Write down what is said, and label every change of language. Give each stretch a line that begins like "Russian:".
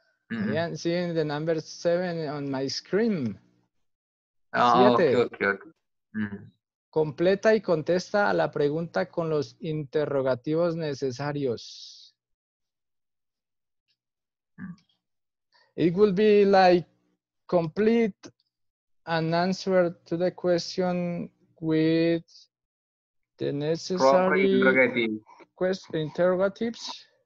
English: I am seeing the number seven on my screen.
Spanish: Siete. Okay. Completa y contesta a la pregunta con los interrogativos necesarios.
English: It will be like complete an answer to the question with the necessary interrogatives.